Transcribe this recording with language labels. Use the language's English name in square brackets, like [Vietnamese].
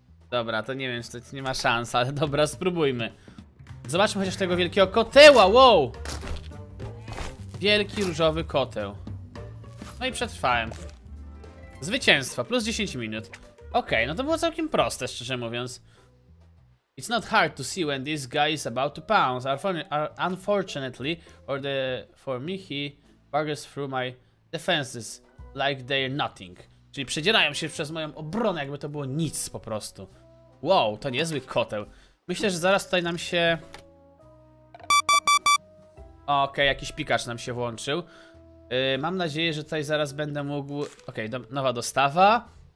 [Polish] Dobra, to nie wiem, czy to nie ma szans, ale dobra, spróbujmy. Zobaczmy chociaż tego wielkiego koteła, wow! Wielki różowy koteł. No i przetrwałem. Zwycięstwo, plus 10 minut. Okej, no to było całkiem proste, szczerze mówiąc. [English] It's not hard to see when this guy is about to pounce. Unfortunately, for me, he burges through my... Defenses, like they're nothing. [Polish] Czyli przedzierają się przez moją obronę, jakby to było nic po prostu. Wow, to niezły koteł. Myślę, że zaraz tutaj nam się... Okej, jakiś pikacz nam się włączył. Mam nadzieję, że tutaj zaraz będę mógł... nowa dostawa.